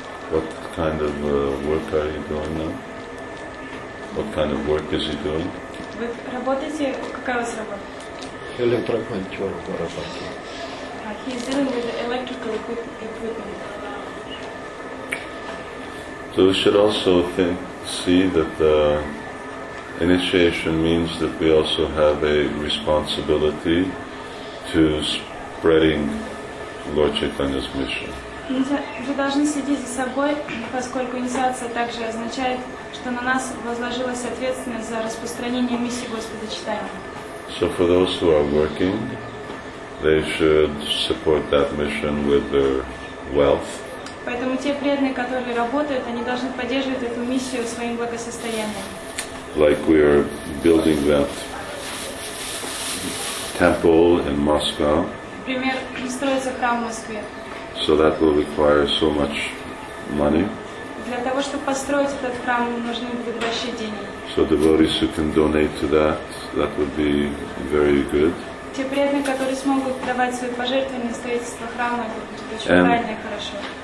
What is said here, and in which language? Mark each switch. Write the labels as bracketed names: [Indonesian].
[English] What kind of work are you doing now? What kind of work is he doing? [Russian] Вы работаете, какая у вас работа? Электромонтёр в аэропорту. [English] He is dealing with electrical equipment. So we should also think, see that initiation means that we also have a responsibility to spreading Lord Chaitanya's mission. [Russian] Вы должны следить за собой, поскольку инициация также означает, что на нас возложилась ответственность за распространение миссии Господа Чайтаньи. [English] So for those who are working, they should support that mission with their wealth. [Russian] Поэтому те преданные, которые работают, они должны поддерживать эту миссию своим благосостоянием. [English] Like we are building that temple in Moscow. [Russian] Например, строится храм в Москве. [English] So that will require so much money. [Russian] Для того, чтобы построить этот храм, нужны будут большие деньги. [English] So devotees who can donate to that would be very good. [Russian] Те преданные, которые смогут давать свои пожертвования на строительство храма, это будет очень правильно и хорошо.